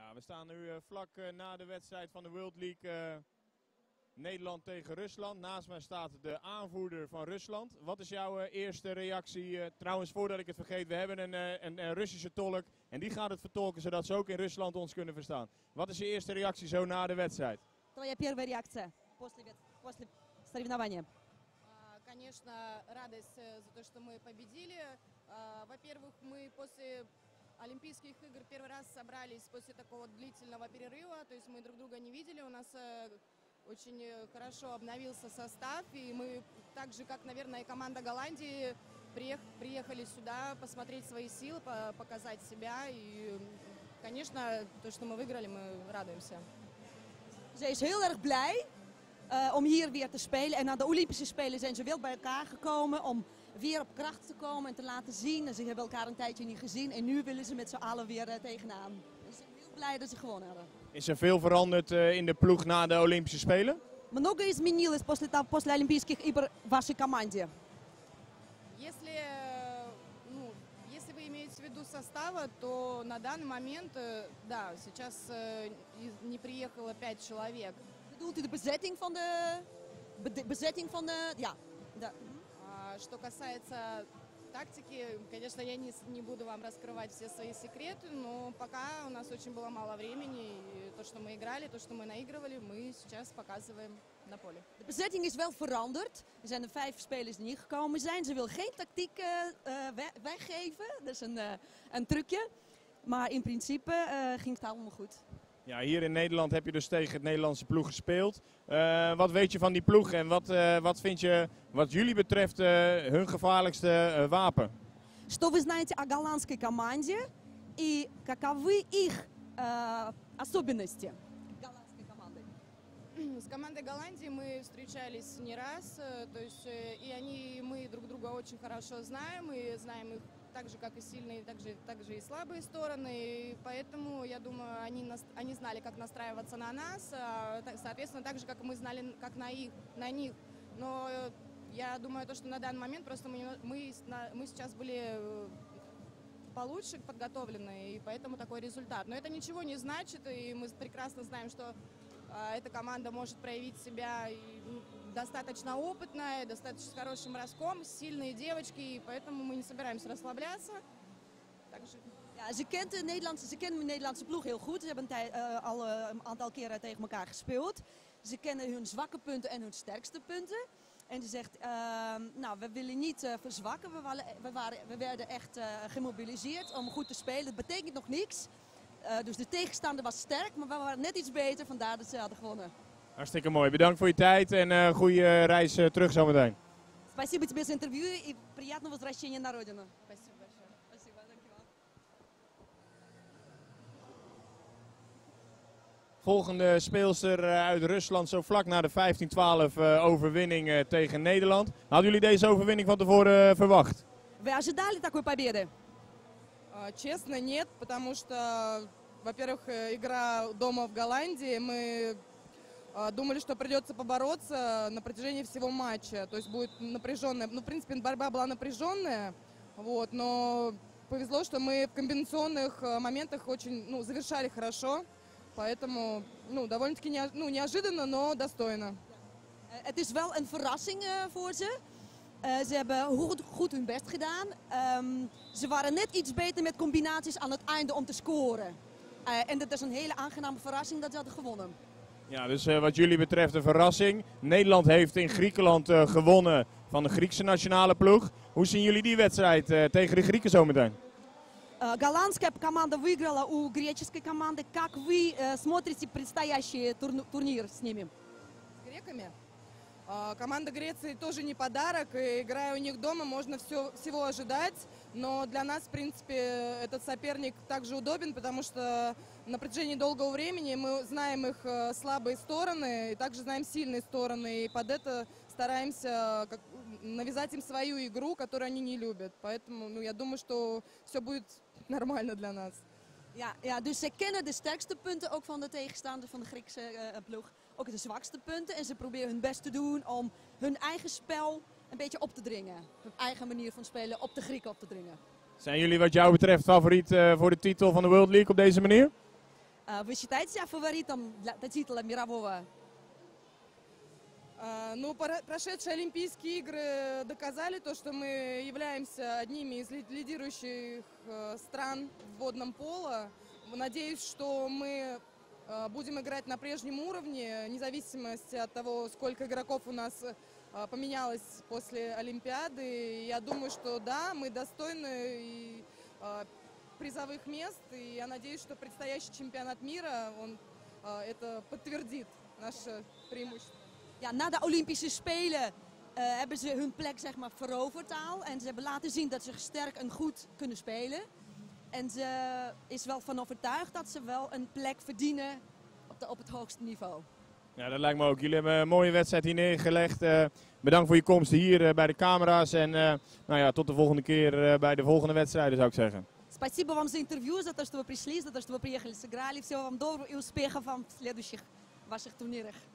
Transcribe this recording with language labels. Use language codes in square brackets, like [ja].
[nl] we staan nu vlak na de wedstrijd van de World League Nederland tegen Rusland. Naast mij staat de aanvoerder van Rusland. Wat is jouw eerste reactie? Trouwens, voordat ik het vergeet, we hebben een Russische tolk. En die gaat het vertolken, zodat ze ook in Rusland ons kunnen verstaan. Wat is je eerste reactie zo na de wedstrijd? [ru] Твоя первая реакция после соревнования? Конечно, радость за то, что мы победили. Во-первых, мы после Олимпийских игр первый раз собрались после такого длительного перерыва. То есть мы друг друга не видели. У нас очень хорошо обновился состав. И мы так же, как, наверное, и команда Голландии, приехали сюда посмотреть свои силы, показать себя. И, конечно, то, что мы выиграли, мы радуемся. [nl] Ze is heel erg blij om hier weer te spelen. En na de Olympische Spelen zijn ze weer bij elkaar gekomen om weer op kracht te komen en te laten zien. En ze hebben elkaar een tijdje niet gezien en nu willen ze met z'n allen weer tegenaan. Dus ik ben heel blij dat ze gewonnen hebben. Is er veel veranderd in de ploeg na de Olympische Spelen? [ru] Много изменилось после там после Олимпийских игр в вашей команде. Если, ну, если вы имеете в виду состава, то на данный момент, да, сейчас не приехало 5 человек. [nl] Bedoelt u de bezetting van de bezetting van de ja, да. [ru] Что касается тактики, конечно, я не буду вам раскрывать все свои секреты, но пока у нас очень было мало времени, и то, что мы играли, то, что мы наигрывали, мы сейчас показываем на поле. [nl] De bezetting is wel veranderd. Er zijn 5 spelers die niet gekomen zijn. Ze wil geen tactiek weggeven. Dat is een trucje. Maar in principe ging het allemaal goed. Ja, hier in Nederland heb je dus tegen het Nederlandse ploeg gespeeld. Wat weet je van die ploeg en wat vind je, wat jullie betreft, hun gevaarlijkste wapen? [ru] Что вы знаете о голландской команде и каковы их особенности? Голландской команды. С командой Голландии мы встречались не раз, то есть и они, и мы друг друга очень хорошо знаем и знаем их так же, как и сильные, так же и слабые стороны. И поэтому, я думаю, они знали, как настраиваться на нас, соответственно, так же, как мы знали, как на них. Но я думаю, то, что на данный момент просто мы сейчас были получше подготовлены, и поэтому такой результат. Но это ничего не значит, и мы прекрасно знаем, что эта команда может проявить себя достаточно опытная, достаточно с хорошим броском, сильные девочки, и поэтому мы не собираемся расслабляться. Также. [nl] Ja, ze kent de Nederlandse, ze kennen de Nederlandse ploeg heel goed. Ze hebben al een aantal keren tegen elkaar gespeeld. Ze kennen hun zwakke punten en hun sterkste punten. En ze zegt, nou, we willen niet verzwakken. We werden echt gemobiliseerd om goed te spelen. Dat betekent nog niks. Dus de tegenstander was sterk, maar we waren net iets beter, vandaar dat ze hadden gewonnen. Hartstikke mooi. Bedankt voor je tijd en goede reis terug zometeen. [ru] Спасибо тебе за интервью и приятного возвращения на родину. [nl] Volgende speelster uit Rusland, zo vlak na de 15-12 overwinning tegen Nederland. Hadden jullie deze overwinning van tevoren verwacht? [ru] Вы ожидали такой победы? Честно, нет, потому что, во-первых, игра дома в Голландии, мы думали, что придется побороться на протяжении всего матча, то есть будет напряженная, ну, в принципе, борьба была напряженная, вот, но повезло, что мы в комбинационных моментах очень, ну, завершали хорошо, поэтому, ну, довольно-таки неожиданно, но достойно. Это же вел [nl] een verrassing voor ze. Ze hebben goed hun best gedaan. Ze waren net iets beter met combinaties aan het einde om te scoren. En dat is een hele aangename verrassing dat ze hadden gewonnen. Ja, dus wat jullie betreft een verrassing. Nederland heeft in Griekenland gewonnen van de Griekse nationale ploeg. Hoe zien jullie die wedstrijd tegen de Grieken zometeen? [ru] Голландская команда выиграла у греческой команды. Как вы смотрите предстоящий турнир с ними? С греками? Команда Греции тоже не подарок, и играя у них дома, можно всего ожидать. Но для нас, в принципе, этот соперник также удобен, потому что на протяжении долгого времени мы знаем их слабые стороны, и также знаем сильные стороны, и под это стараемся навязать им свою игру, которую они не любят. Поэтому, ну, я думаю, что все будет нормально для нас. [nl] Ja, ja, dus ze kennen de sterkste punten ook van de tegenstander van de Griekse ploeg. Ook de zwakste punten. En ze proberen hun best te doen om hun eigen spel een beetje op te dringen. Hun eigen manier van spelen op de Grieken op te dringen. Zijn jullie wat jou betreft favoriet voor de titel van de World League op deze manier? [ru] Вы считаете себя фаворитом для титула мирового? Ну, прошедшие Олимпийские игры доказали то, что мы являемся одними из лидирующих стран в водном поло. Надеюсь, что мы будем играть на прежнем уровне, вне зависимости от того, сколько игроков у нас поменялось после Олимпиады. Я думаю, что да, мы достойны призовых мест, и я надеюсь, что предстоящий чемпионат мира, он это подтвердит, наше преимущество. [nl] Ja, na de Olympische Spelen hebben ze hun plek zeg maar veroverd al. En ze hebben laten zien dat ze sterk en goed kunnen spelen. En ze is wel van overtuigd dat ze wel een plek verdienen op het hoogste niveau. Ja, dat lijkt me ook. Jullie hebben een mooie wedstrijd hier neergelegd. Bedankt voor je komst hier bij de camera's. En nou ja, tot de volgende keer bij de volgende wedstrijden zou ik zeggen. [ru] Спасибо вам за интервью, за то, что вы пришли, за то, что вы приехали, сыграли. Всего вам доброго и успехов вам в следующих ваших турнирах.